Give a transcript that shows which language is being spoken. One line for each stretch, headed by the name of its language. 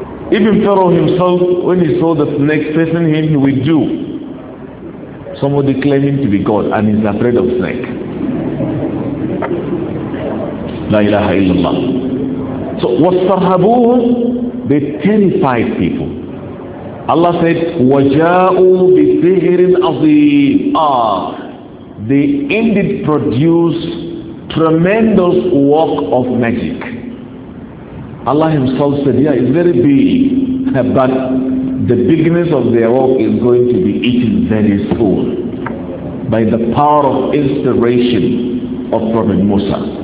English: Even Pharaoh himself, when he saw the snake facing him, he withdrew. Somebody claimed him to be God and he's afraid of snake.
Arabic: La ilaha illallah.
English: So wastarhabuhu, they terrified people. Allah said,
Arabic: وَجَاءُوا بِسِحْرٍ عَظِيمٍ.
English: They indeed produced tremendous work of magic. Allah himself said, yeah, it's very big, but the bigness of their work is going to be eaten very soon by the power of inspiration of Prophet Musa.